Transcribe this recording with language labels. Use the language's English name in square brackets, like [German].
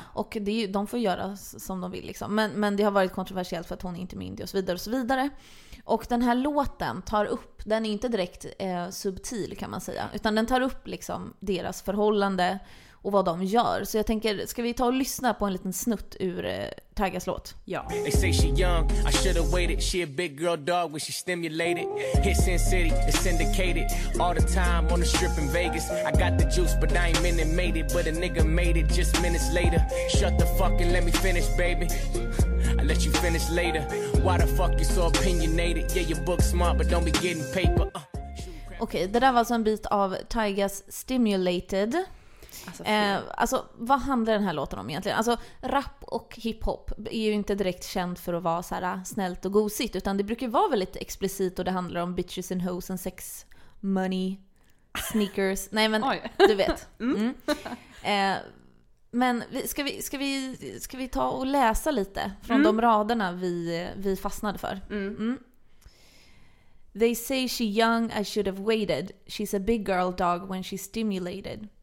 [Swedish] Och det är ju, de får göra som de vill liksom. Men det har varit kontroversiellt för att hon är inte myndig och så vidare och så vidare. Och den här låten tar upp, den är inte direkt subtil kan man säga, utan den tar upp liksom deras förhållande och vad de gör. Så jag tänker, ska vi ta och lyssna på en liten snutt ur Tygas låt? Ja. [English] They say she young, I should have waited. She a big girl dog when she stimulated. Hits in city, it's syndicated. All the time on the strip in Vegas. I got the juice but I ain't minute made it. But a nigga made it just minutes later. Shut the fuck and let me finish baby. I let you finish later. Why the fuck you so opinionated? Yeah, your book smart but don't be getting paper. [Swedish] Okej, det där var alltså en bit av Tygas Stimulated. Alltså, vad handlar den här låten om egentligen? Alltså, rap och hiphop är ju inte direkt känd för att vara så här snällt och gosigt, utan det brukar vara väldigt explicit och det handlar om [English] bitches and hoes and sex, money, sneakers. [Swedish] Nej, men oj, du vet. Mm. Men ska vi ta och läsa lite från de raderna vi fastnade för? [English] They say she young, I should have waited. She's a big girl dog when she's stimulated.